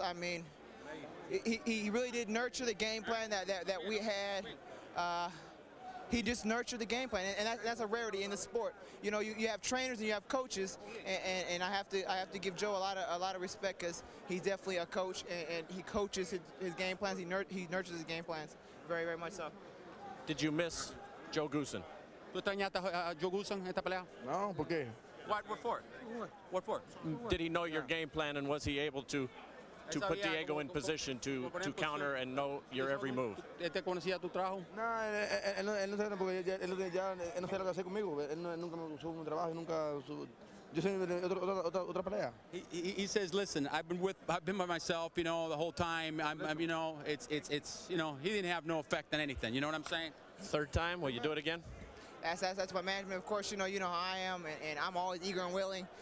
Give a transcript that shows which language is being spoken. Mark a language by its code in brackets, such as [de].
[en] I mean, he really did nurture the game plan that we had. He just nurtured the game plan, and that's a rarity in the sport. You know, you have trainers and you have coaches, and I have to give Joe a lot of respect, because he's definitely a coach, and he coaches his game plans. He nurtures his game plans very, very much so. Did you miss Joe Goosen? [es] ¿Tú extrañaste a Joe Goosen en esta pelea? No, ¿por qué? [en] What for? Did he know your game plan, and was he able to put Diego in position to counter and know your every move? [es] ¿Te conocía tu trabajo? No, él no sabe, porque él no sabe lo que hacer conmigo. Él nunca subió un trabajo, nunca subió. [en] He says, "Listen, I've been by myself, you know, the whole time. I'm, you know, it's, you know, he didn't have no effect on anything. You know what I'm saying? Third time, will you do it again? That's my management. Of course, you know how I am, and I'm always eager and willing.